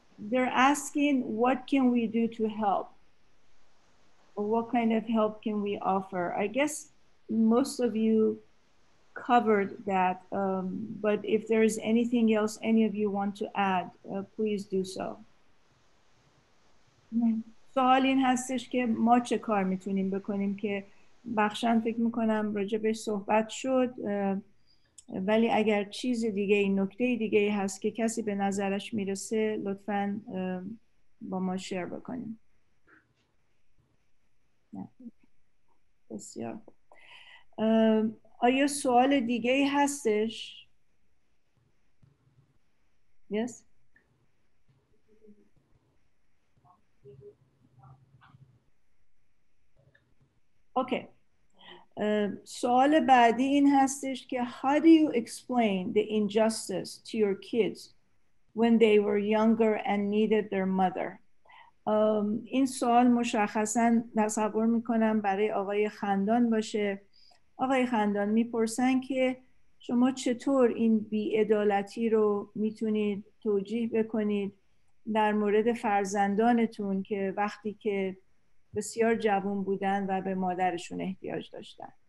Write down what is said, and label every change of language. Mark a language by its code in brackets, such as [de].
[en] They're asking, what can we do to help? What kind of help can we offer? I guess most of you covered that, but if there is anything else any of you want to add, please do so. [fa] سوال این هستش که ما چه کار میتونیم بکنیم که بخشن فکر میکنم راجبش صحبت شد، ولی اگر چیز دیگه ای نکته دیگه ای هست که کسی به نظرش میرسه لطفا با ما شیر بکنیم. بسیار. آیا سوال دیگه ای هستش؟ [en] Yes. Okay. [fa] سوال بعدی این هستش که [en] how do you explain the injustice to your kids when they were younger and needed their mother? [fa] این سوال مشخصاً تصور میکنم برای آقای خندان باشه. آقای خندان میپرسن که شما چطور این بی‌عدالتی رو میتونید توجیه بکنید در مورد فرزندانتون که وقتی که بسیار جوان بودن و به مادرشون احتیاج داشتن؟